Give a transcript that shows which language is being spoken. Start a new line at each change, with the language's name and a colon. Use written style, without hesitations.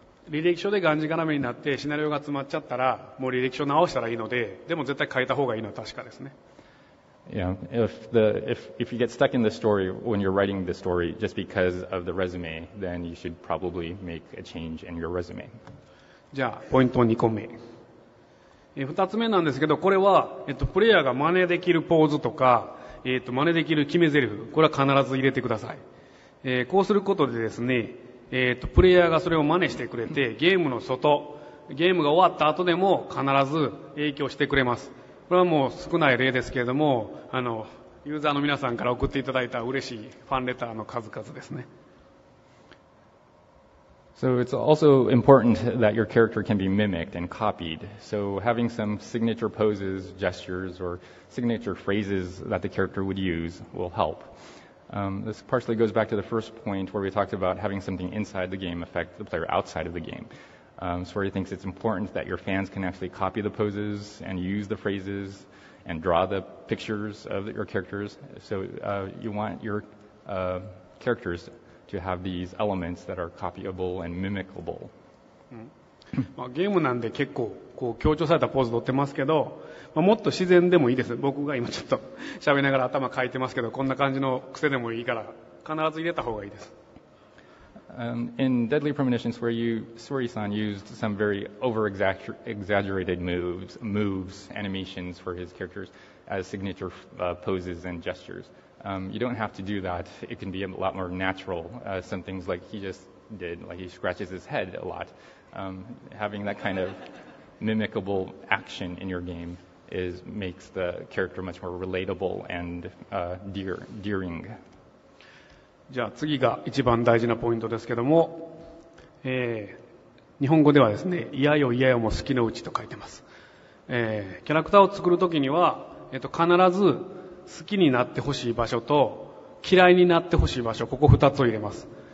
Japanese: 履歴書でがんじがらめになってシナリオが詰まっちゃったら、もう履歴書直したらいいので、でも絶対書いた方がいいのは確かですね。
English: Yeah, if you get stuck in the story when you're writing the story just because of the resume, then you should probably make a change in your resume.
Japanese: じゃあ、ポイント2個目。 2つ目なんですけど、これは、プレイヤーが真似できるポーズとか、真似できる決め台詞、これは必ず入れてください。こうすることでですね、プレイヤーがそれを真似してくれて、ゲームの外、ゲームが終わった後でも必ず影響してくれます。これはもう少ない例ですけれども、ユーザーの皆さんから送っていただいた嬉しいファンレターの数々ですね。
English: So it's also important that your character can be mimicked and copied. So having some signature poses, gestures, or signature phrases that the character would use will help. This partially goes back to the first point where we talked about having something inside the game affect the player outside of the game. Sori thinks it's important that your fans can actually copy the poses and use the phrases and draw the pictures of your characters. So you want your characters to have these elements that are copyable and mimicable.
Japanese: まあ、ゲームなんで結構こう強調されたポーズを取ってますけど、まあ、もっと自然でもいいです。僕が今ちょっと喋りながら頭かいてますけど、こんな感じの癖でもいいから必ず入れた方がいいです。
English: In Deadly Premonitions, where Sori-san used some very over-exaggerated moves, animations for his characters as signature poses and gestures. You don't have to do that. It can be a lot more natural. Some things like he just did, like he scratches his head a lot. Having that kind of mimicable action in your game makes the character much more relatable and endearing.
Japanese: じゃあ次が一番大事なポイントですけども、日本語ではですね、いやよいやよも好きのうちと書いてます。キャラクターを作るときには、必ず好きになってほしい場所と嫌いになってほしい場所、ここ二つを入れます。